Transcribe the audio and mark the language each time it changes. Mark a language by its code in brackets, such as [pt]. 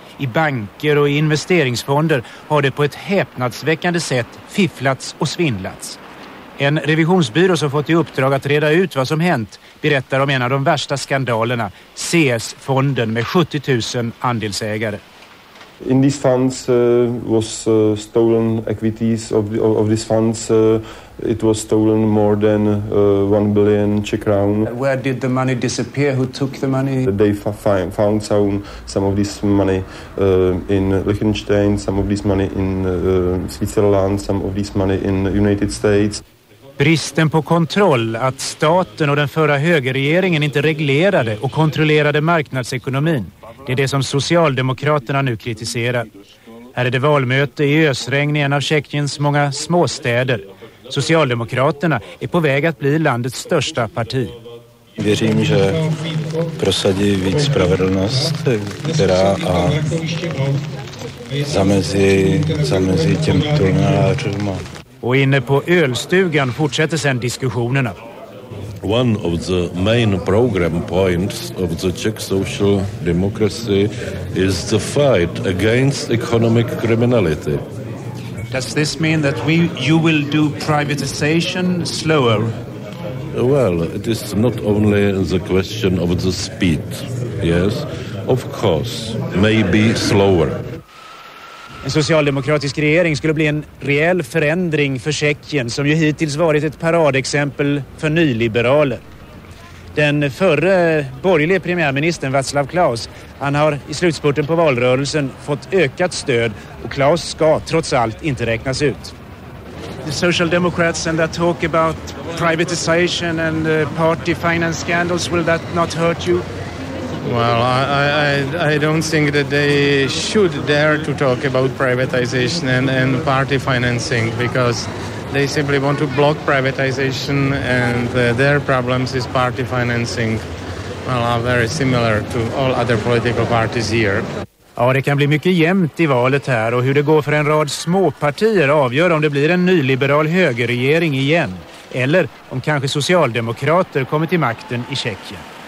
[sv] I banker och i investeringsfonder har det på ett häpnadsväckande sätt fifflats och svindlats. En revisionsbyrå som fått i uppdrag att reda ut vad som hänt berättar om en av de värsta skandalerna, CS-fonden med 70 000 andelsägare. [en] In these funds was stolen equities of these funds. It was stolen more than 1 billion Czech crown. Where did the money disappear? Who took the money? They found some of this money in Liechtenstein, some of this money in Switzerland, some of this money in United States. [sv] Bristen på kontroll, att staten och den förra högerregeringen inte reglerade och kontrollerade marknadsekonomin, det är det som socialdemokraterna nu kritiserar. Här är det valmöte i ösregn i en av Tjeckiens många småstäder. Socialdemokraterna är på väg att bli landets största parti. [cs] Věřím, že prosadí víc spravedlnost, která a zamezí těm tunelářům. [sv] Och inne på ölstugan fortsätter sedan diskussionerna. [en] One of the main program points of the Czech social democracy is the fight against economic criminality. Does this mean that you will do privatization slower? Well, it is not only the question of the speed. Yes, of course, maybe slower. [sv] En socialdemokratisk regering skulle bli en rejäl förändring för Tjeckien som ju hittills varit ett paradexempel för nyliberaler. Den förre borgerliga premiärministern Václav Klaus, han har i slutspurten på valrörelsen fått ökat stöd och Klaus ska trots allt inte räknas ut. [en] The social democrats and that talk about privatization and party finance scandals, will that not hurt you? Well, I don't think that they should dare to talk about privatization and party financing because they simply want to block privatization and their problems is party financing. Well, are very similar to all other political parties here. [sv] Ja, det kan bli mycket jämnt i valet här och hur det går för en rad småpartier avgör om det blir en nyliberal högerregering igen eller om kanske socialdemokrater kommer till makten i Tjeckien.